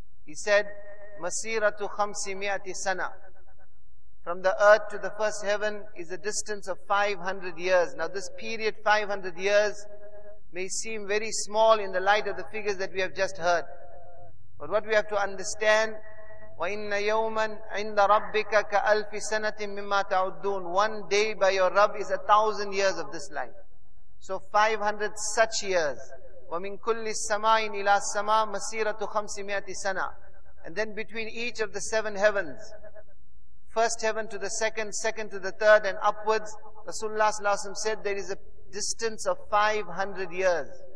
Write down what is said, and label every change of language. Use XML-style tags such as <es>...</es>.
<en>He said,</en> <ar>masiratu khamsi mi'ati sana.</ar> <en>From the earth to the first heaven is a distance of 500 years. Now this period, 500 years, may seem very small in the light of the figures that we have just heard. But what we have to understand,</en> <ar>وَإِنَّ يَوْمًا عِنْدَ رَبِّكَ كَأَلْفِ سَنَةٍ مِمَّا تَعُدُّونَ.</ar> <en>One day by your Rabb is 1,000 years of this life. So 500 such years.</en> <ar>وَمِنْ كُلِّ السَّمَاءٍ إِلَى السَّمَاءٍ مَسِيرَةُ خَمْسِ مِئَةِ سَنَةٍ.</ar> <en>And then between each of the seven heavens, first heaven to the second, second to the third, and upwards, Rasulullah sallallahu alayhi wa sallam said there is a distance of 500 years.</en>